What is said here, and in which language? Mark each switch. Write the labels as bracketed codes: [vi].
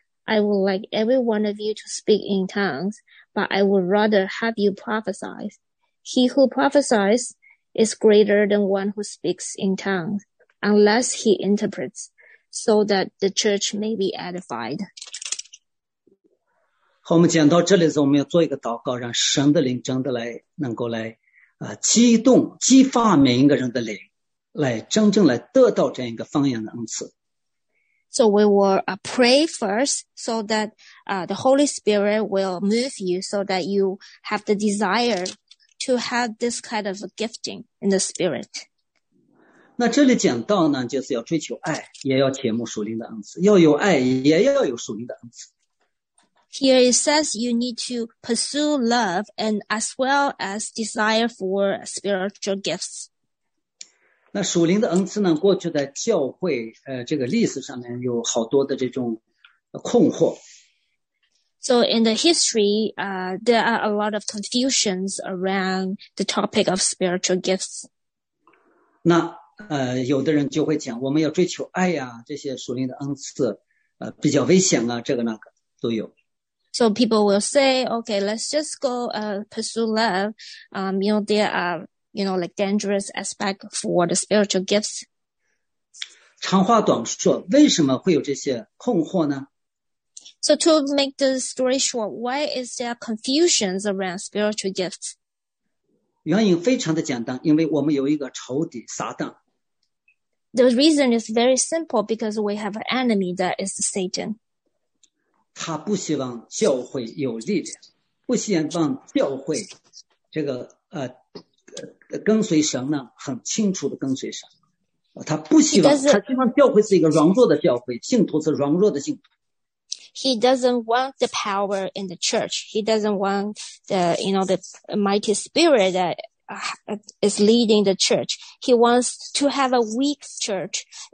[en] I would like every one of you to speak in tongues, but I would rather have you prophesy. He who prophesies is greater than one who speaks in tongues, unless he interprets, so that the church may be edified. [zh] 好，我们讲到这里的时候，我们要做一个祷告，让神的灵真的来能够来，激动、激发每一个人的灵，来真正来得到这样一个方言的恩赐。 [en] So we will pray first so that the Holy Spirit will move you so that you have the desire to have this kind of a gifting in the Spirit. [zh] 那这里讲到呢，就是要追求爱，也要切慕属灵的恩赐；要有爱，也要有属灵的恩赐。 [en] Here it says you need to pursue love and as well as desire for spiritual gifts. [zh] 那属灵的恩赐呢？过去的教会，这个历史上面有好多的这种困惑。 [en] So in the history, there are a lot of confusions around the topic of spiritual gifts. [zh] 那有的人就会讲，我们要追求爱呀，这些属灵的恩赐，比较危险啊，这个那个都有。 [en] So people will say, okay, let's just go pursue love. There are, like dangerous aspects for the spiritual gifts. [zh] 长话短说，为什么会有这些困惑呢？ [en] So to make the story short, why is there confusions around spiritual gifts? [zh] 原因非常的简单，因为我们有一个仇敌撒旦。 [en] The reason is very simple because we have an enemy that is Satan. [zh] 他不希望教会有力量，不希望教会这个跟随神呢，很清楚的跟随神。他不希望，他希望教会是一个软弱的教会，信徒是软弱的信徒。 [en] He doesn't want the power in the church. He doesn't want the mighty spirit that is leading the church. He wants to have a weak church.